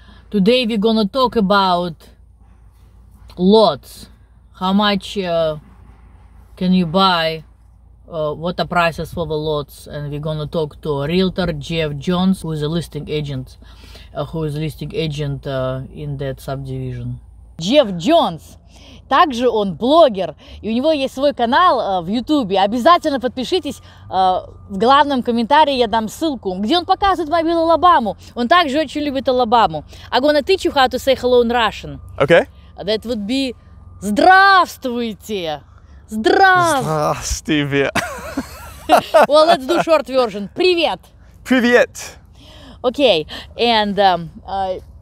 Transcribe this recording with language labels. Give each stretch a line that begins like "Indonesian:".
English: Today we're gonna talk about lots. How much can you buy? What are prices for the lots? And we're gonna talk to a realtor, Jeff Jones, who is a listing agent, in that subdivision.
Russian: Джефф Джонс, также он блогер, и у него есть свой канал в Ютубе. Обязательно подпишитесь, в главном комментарии я дам ссылку, где он показывает Мобил Алабаму. Он также очень любит Алабаму.
English: I'm gonna teach you how to say hello in Russian. Okay. That would be
Russian: здравствуйте. Здравствуйте.
English: Well, let's do short version.
Russian: Привет. Привет.
English: Okay, and...